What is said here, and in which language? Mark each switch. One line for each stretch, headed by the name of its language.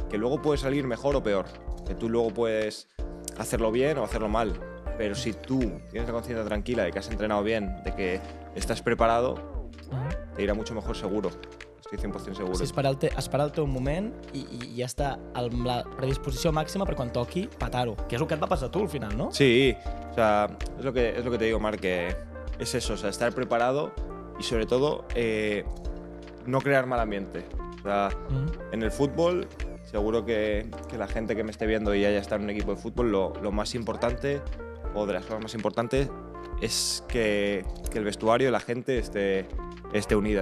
Spanish: Que luego puedes salir mejor o peor. Que tú luego puedes hacerlo bien o hacerlo mal. Pero si tú tienes la conciencia tranquila de que has entrenado bien, de que estás preparado, te irá mucho mejor seguro. Estoy 100% seguro.
Catalan: O sigui, esperar-te un moment i ja està amb la predisposició màxima per quan toqui patar-ho. Que és el que et va passar a tu al final, no?
Spanish: Sí. O sea, es lo que te digo, Marc, que es eso. O sea, estar preparado y sobre todo... no crear mal ambiente. O sea, en el fútbol, seguro que la gente que me esté viendo y haya estado en un equipo de fútbol, lo más importante, o de las cosas más importantes, es que el vestuario, la gente, esté unida.